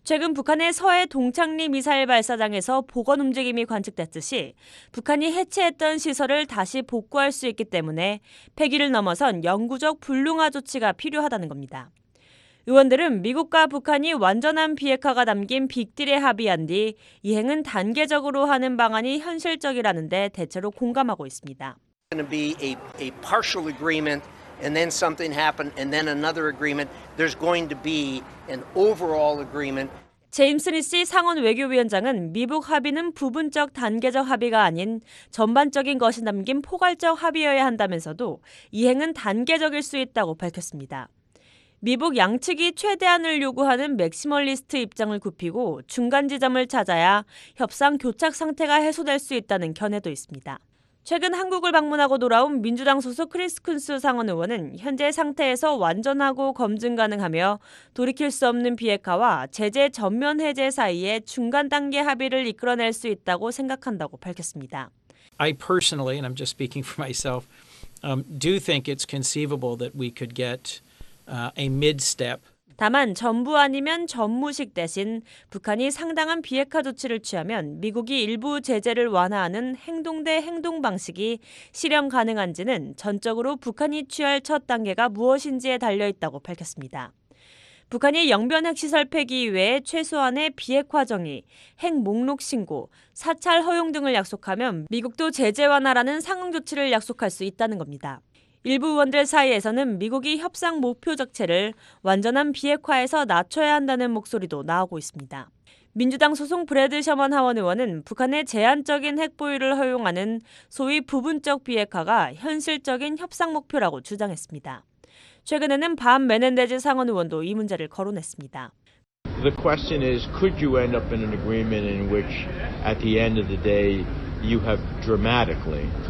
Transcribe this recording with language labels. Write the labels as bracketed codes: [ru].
[ko] 최근 북한의 서해 동창리 미사일 발사장에서 복원 움직임이 관측됐듯이 북한이 해체했던 시설을 다시 복구할 수 있기 때문에 폐기를 넘어선 영구적 불능화 조치가 필요하다는 겁니다. 의원들은 미국과 북한이 완전한 비핵화가 담긴 빅딜에 합의한 뒤 이행은 단계적으로 하는 방안이 현실적이라는데 대체로 공감하고 있습니다. [en] Going to be a partial agreement, and then something happened, and then another agreement. There's going to be an overall agreement. [ko] 제임스 리시 상원 외교위원장은 미북 합의는 부분적 단계적 합의가 아닌 전반적인 것이 담긴 포괄적 합의여야 한다면서도 이행은 단계적일 수 있다고 밝혔습니다. 미북 양측이 최대한을 요구하는 맥시멀리스트 입장을 굽히고 중간 지점을 찾아야 협상 교착 상태가 해소될 수 있다는 견해도 있습니다. 최근 한국을 방문하고 돌아온 민주당 소속 크리스 쿤스 상원 의원은 현재 상태에서 완전하고 검증 가능하며 돌이킬 수 없는 비핵화와 제재 전면 해제 사이에 중간 단계 합의를 이끌어낼 수 있다고 생각한다고 밝혔습니다. [en] I personally, and I'm just speaking for myself, do think it's conceivable that we could get a mid-step. [ko] 다만 전부 아니면 전무식 대신 북한이 상당한 비핵화 조치를 취하면 미국이 일부 제재를 완화하는 행동 대 행동 방식이 실현 가능한지는 전적으로 북한이 취할 첫 단계가 무엇인지에 달려있다고 밝혔습니다. 북한이 영변 핵시설 폐기 이외에 최소한의 비핵화 정의, 핵 목록 신고, 사찰 허용 등을 약속하면 미국도 제재 완화라는 상응 조치를 약속할 수 있다는 겁니다. 일부 의원들 사이에서는 미국이 협상 목표 자체를 완전한 비핵화에서 낮춰야 한다는 목소리도 나오고 있습니다. 민주당 소속 브래드 셔먼 하원 의원은 북한의 제한적인 핵 보유를 허용하는 소위 부분적 비핵화가 현실적인 협상 목표라고 주장했습니다. 최근에는 밤 메넨데즈 상원 의원도 이 문제를 거론했습니다. [en] The question is, could you end up in an agreement in which at the end of the day you have dramatically